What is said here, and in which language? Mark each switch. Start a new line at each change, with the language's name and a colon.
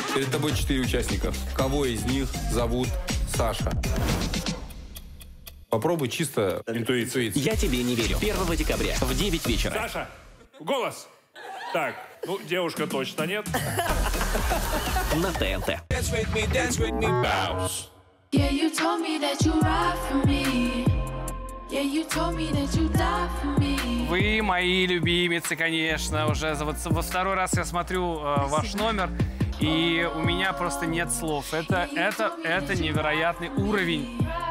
Russian: Перед тобой 4 участника. Кого из них зовут Саша? Попробуй чисто интуицией. Я тебе не верю. 1 декабря в 9 вечера. Саша, голос. Так, ну, девушка точно нет.
English: На ТНТ. Dance with me, bounce. Yeah, you told me that you ride for me. Yeah, you told me that you die for me.
Russian: Вы мои любимицы, конечно, уже во второй раз я смотрю ваш номер, и у меня просто нет слов. Это невероятный уровень.